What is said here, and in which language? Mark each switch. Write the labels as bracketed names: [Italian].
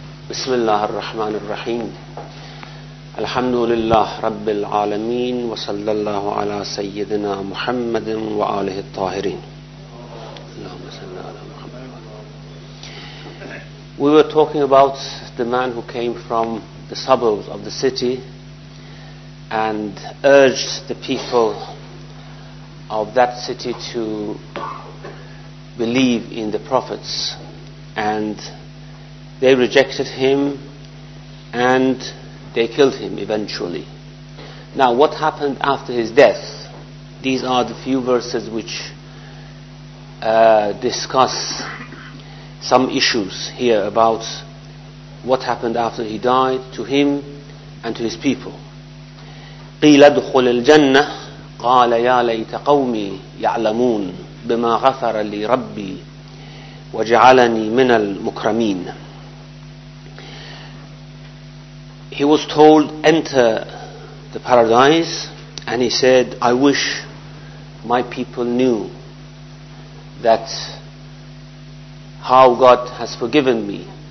[Arabic] بسم الله الرحمن الرحيم. الحمد لله رب العالمين، وصلى الله على سيدنا محمد وآله الطاهرين. اللهم صل على محمد. [English] We were talking about the man who came from the suburbs of the city and urged the people of that city to believe in the prophets, and they rejected him and they killed him eventually. Now, what happened after his death? These are the few verses which discuss some issues here about what happened after he died to him and to his people. [Arabic] قيل ادخل الجنة قال يا ليت قومي يعلمون بما غفر لي ربي وجعلني من المكرمين. [English] He was told, enter the paradise, and he said, I wish my people knew that how God has forgiven me.